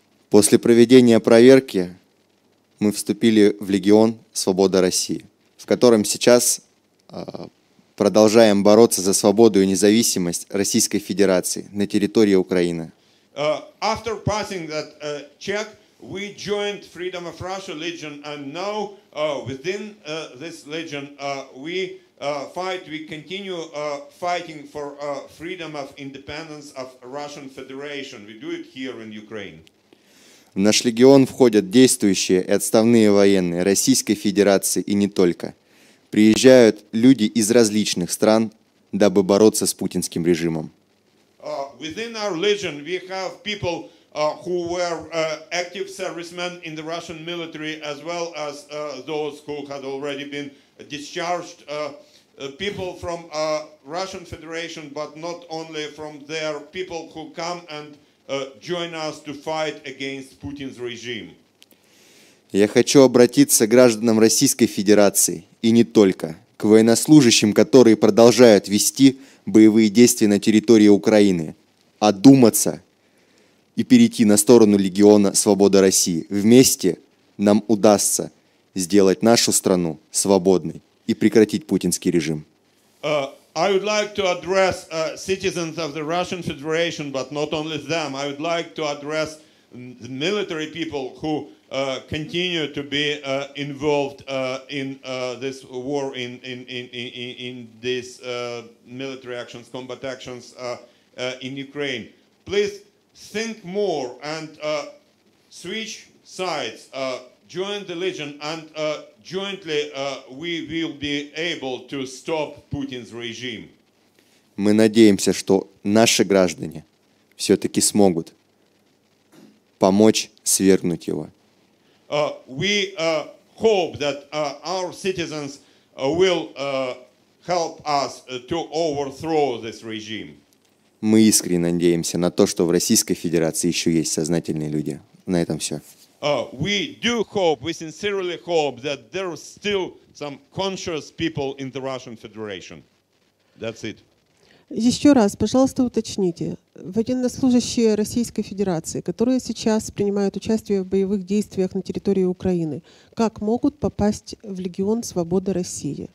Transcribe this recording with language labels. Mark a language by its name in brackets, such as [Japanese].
[Russian] После проведения проверки мы вступили в Легион Свобода России, в котором сейчас продолжаем бороться за свободу и независимость Российской Федерации на территории Украины. [English] After passing that check, we joined Freedom of Russia Legion, and now within this legion we fight, we continue fighting for freedom of independence of Russian Federation. We do it here in Ukraine. [Russian] В наш легион входят действующие и отставные военные Российской Федерации и не только. Приезжают люди из различных стран, дабы бороться с путинским режимом. [English] Within our legion we have people who were active servicemen in the Russian military, as well as those who had already been discharged. People from Russian Federation, but not only from there, people who come and join us to fight against Putin's regime. [Russian] Я хочу обратиться к гражданам Российской Федерации и не только, к военнослужащим, которые продолжают вести боевые действия на территории Украины, одуматься и перейти на сторону легиона «Свобода России». Вместе нам удастся сделать нашу страну свободной и прекратить путинский режим. [English] I would like to address citizens of the Russian Federation, but not only them. I would like to address the military people who continue to be involved in this war, in these military actions, combat actions in Ukraine. Please think more and switch sides, join the Legion, and jointly we will be able to stop Putin's regime. [Russian] Мы надеемся, что наши граждане все-таки смогут помочь свергнуть его. [English] We hope that our citizens will help us to overthrow this regime. [Russian] Мы искренне надеемся на то, что в Российской Федерации еще есть сознательные люди. На этом все. [English] We do hope, we sincerely hope that there are still some conscious people in the Russian Federation. That's it. [Russian] Еще раз, пожалуйста, уточните. Военнослужащие Российской Федерации, которые сейчас принимают участие в боевых действиях на территории Украины, как могут попасть в Легион Свободы России?